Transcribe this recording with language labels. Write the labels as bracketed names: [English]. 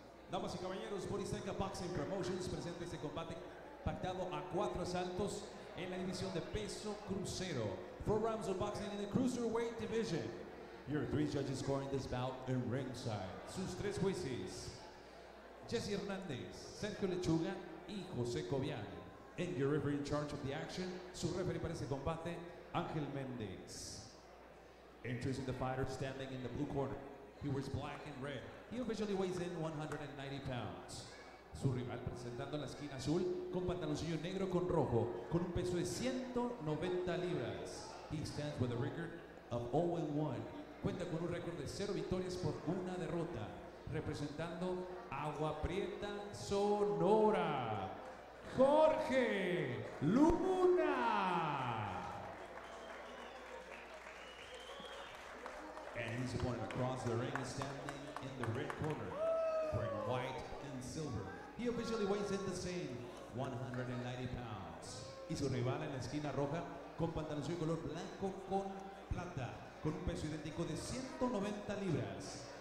[Spanish] Damas y caballeros, Boriseca Boxing Promotions presenta este combate pactado a cuatro asaltos en la división de peso crucero. [English] Four rounds of boxing in the cruiserweight division. Your three judges scoring this bout in ringside. [Spanish] Sus tres jueces, Jesse Hernandez, Sergio Lechuga y José Cobian. [English] And your referee in charge of the action, [Spanish] su referee para este combate, [English] Ángel Méndez. Introducing the fighter standing in the blue corner. He wears black and red. He officially weighs in 190 pounds. [Spanish] Su rival presentando la esquina azul con pantaloncillo negro con rojo con un peso de 190 libras. [English] He stands with a record of 0-1. [Spanish] Cuenta con un récord de 0 victorias por una derrota. Representando Agua Prieta Sonora, Jorge Luna. [English] And his opponent across the ring is standing in the red corner, wearing white and silver. He officially weighs in the same, 190 pounds. [Spanish] Y su rival en la esquina roja, con pantaloncillo color blanco con plata, con un peso idéntico de 190 libras.